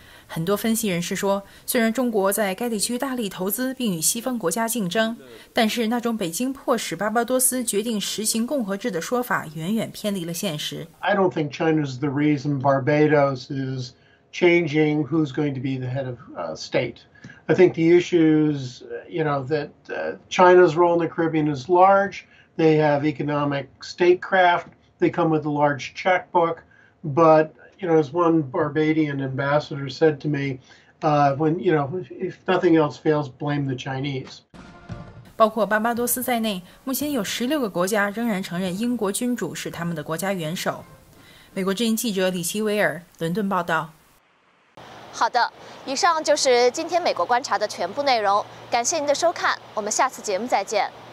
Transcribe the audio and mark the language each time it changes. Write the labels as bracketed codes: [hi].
[zh] 很多分析人士说，虽然中国在该地区大力投资并与西方国家竞争，但是那种北京迫使巴巴多斯决定实行共和制的说法远远偏离了现实。 [en] I don't think China is the reason Barbados is changing who's going to be the head of state. I think the issues, you know, that China's role in the Caribbean is large. They have economic statecraft. They come with a large checkbook. But, you know, as one Barbadian ambassador said to me, when, you know, if nothing else fails, blame the Chinese. [zh] 包括巴巴多斯在内，目前有16个国家仍然承认英国君主是他们的国家元首。美国之音记者李奇维尔，伦敦报道。好的，以上就是今天美国观察的全部内容，感谢您的收看，我们下次节目再见。